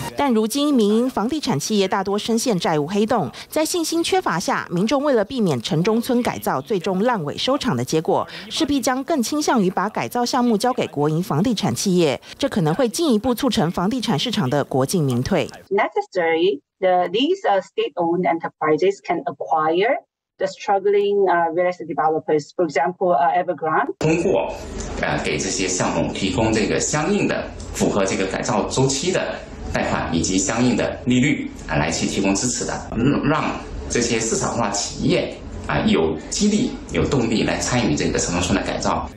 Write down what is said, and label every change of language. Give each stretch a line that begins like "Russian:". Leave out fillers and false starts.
Chinese: 但如今民营房地产企业大多深陷债务黑洞，在信心缺乏下，民众为了避免城中村改造最终烂尾收场的结果，势必将更倾向于把改造项目交给国营房地产企业，这可能会进一步促成房地产市场的国进民退。
English: Necessary, these state-owned enterprises can acquire the struggling real estate developers, for example, Evergrande.
Chinese: 通过给这些项目提供这个相应的符合这个改造周期的贷款以及相应的利率来去提供支持的，让这些市场化企业有激励、有动力来参与这个城中村的改造。